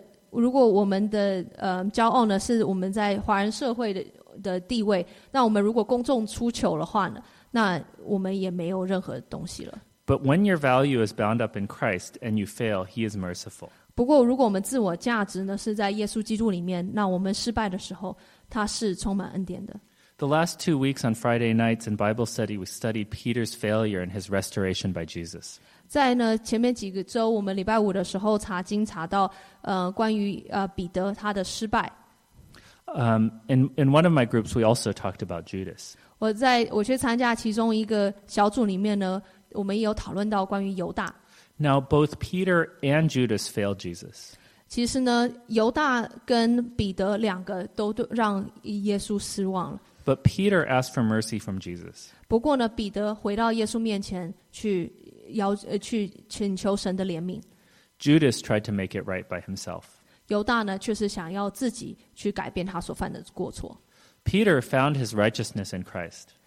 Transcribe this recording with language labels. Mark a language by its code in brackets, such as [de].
[zh] 如果我们的骄傲呢是我们在华人社会 的地位，那我们如果公众出糗的话呢，那我们也没有任何东西了。 [en] But when your value is bound up in Christ and you fail, He is merciful. [zh] 不过如果我们自我价值呢是在耶稣基督里面，那我们失败的时候他是充满恩典的。 [en] The last 2 weeks on Friday nights in Bible study, we studied Peter's failure and his restoration by Jesus. [zh] 在呢前面几个周我们礼拜五的时候查经查到关于彼得他的失败。 [en] In one of my groups, we also talked about Judas. [zh] 我去参加其中一个小组里面呢，我们也有讨论到关于犹大。 [en] Now both Peter and Judas failed Jesus. [zh] 其实呢，犹大跟彼得两个都让耶稣失望了。 [en] But Peter asked for mercy from Jesus. [zh] 不过呢，彼得回到耶稣面前去请求神的怜悯。 [en] Judas tried to make it right by himself. [zh] 犹大呢，却是想要自己去改变他所犯的过错。 [en] Peter found his righteousness in Christ.